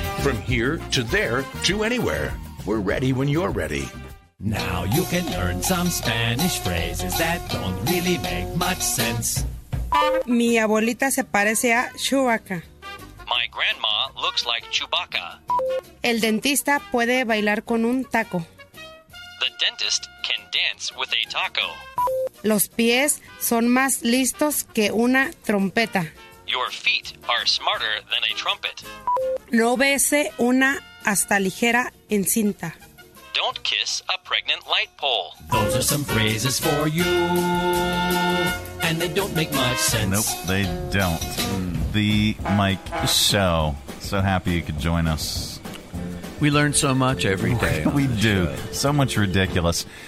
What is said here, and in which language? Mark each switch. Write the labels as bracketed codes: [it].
[en] From here to there to anywhere. We're ready when you're ready. Now you can learn some Spanish phrases that don't really make much sense. [es] Mi abuelita se parece a Chewbacca. [en] My grandma looks like Chewbacca. [es] El dentista puede bailar con un taco. [en] The dentist can dance with a taco. [es] Los pies son más listos que una trompeta. [en] Your feet are smarter than a trumpet. [es] No bese una hasta ligera encinta. [en] Don't kiss a pregnant light pole. Those are some phrases for you, and they don't make much sense. Nope, they don't. The Mike Show. So happy you could join us. We learn so much every day. We do. So much ridiculous.